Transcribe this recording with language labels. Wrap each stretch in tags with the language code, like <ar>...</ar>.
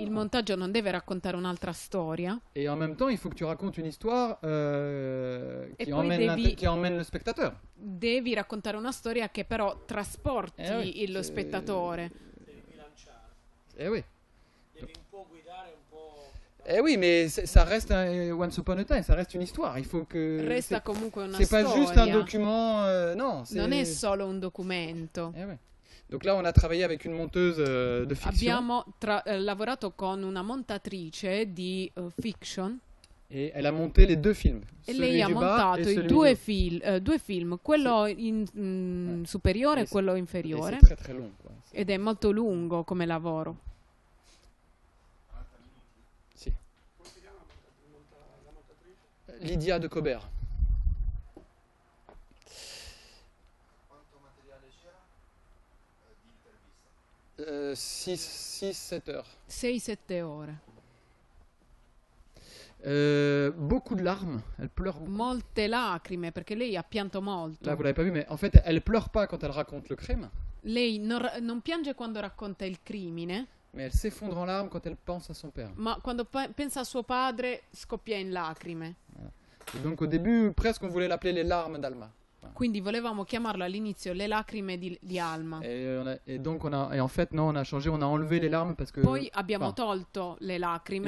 <it>Il montaggio non deve raccontare un'altra storia.</it> <fr>Et en même temps, il faut que tu racontes une histoire qui emmène le spectateur.</fr> <it>Devi raccontare una storia che però trasporti lo spettatore. Devi bilanciare.</it> <fr>Oui.</fr> <it>Devi un po' guidare un po'.</it> <fr>Eh oui, mais ça reste un Once Upon a Time, ça reste une histoire. Il faut que.</fr> <it>Resta</it> <fr>c'est,</fr> <it>comunque una</it> <fr>c'est</fr> <it>storia.</it> <fr>Pas juste un document. Non, c'est.</fr> <it>Non è solo un documento.</it> <fr>Eh oui. Donc là, on a travaillé avec une monteuse de fiction.</fr> <it>Abbiamo lavorato con una montatrice di fiction.</it> <fr>Et elle a monté les deux films.</fr> <it>E lei ha montato i due film, quello in superiore e quello inferiore.</it> <fr>C'est très très long. Quoi.</fr> <it>Ed è molto lungo come lavoro. Lydia de Cobert. Quanto materiale c'era? Di intervista.</it> <fr>6-7 heures.</fr> <it>6-7 ore.</it> <fr>Beaucoup de larmes, elle pleure.</fr> <it>Molte lacrime, perché lei ha pianto molto.</it> <fr>Là, vous l'avez pas vu, mais en fait, elle pleure pas quand elle raconte le crime.</fr> <it>Lei non piange quando racconta il crimine.</it> <fr>Mais elle s'effondre en larmes quand elle pense à son père.</fr> <it>Ma quando pensa a suo padre, scoppia in lacrime.</it> <fr>Et donc au début, presque, on voulait l'appeler les larmes d'Alma.</fr> <it>Quindi volevamo chiamarlo all'inizio le lacrime di Alma.</it> <fr>Et en fait, non, on a changé, on a enlevé les larmes parce que.</fr> <it>Poi abbiamo tolto le lacrime.</it>